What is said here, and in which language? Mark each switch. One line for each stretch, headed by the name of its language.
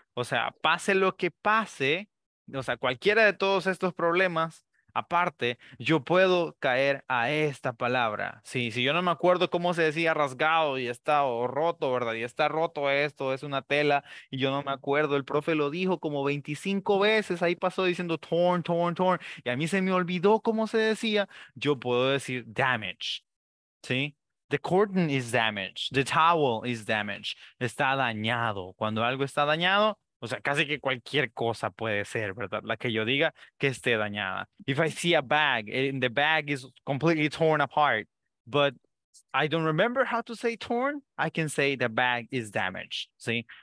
Spanish: O sea, pase lo que pase, o sea, cualquiera de todos estos problemas, aparte, yo puedo caer a esta palabra. Sí, si yo no me acuerdo cómo se decía rasgado y está o roto, ¿verdad? Y está roto esto, es una tela, y yo no me acuerdo. El profe lo dijo como 25 veces, ahí pasó diciendo torn, torn, torn. Y a mí se me olvidó cómo se decía. Yo puedo decir damage, ¿sí?
English: The curtain is damaged, the towel is damaged.
Spanish: Está dañado. Cuando algo está dañado, o sea, casi que cualquier cosa puede ser, ¿verdad? La que yo diga que esté dañada.
English: If I see a bag, and the bag is completely torn apart, but I don't remember how to say torn, I can say the bag is damaged, ¿sí?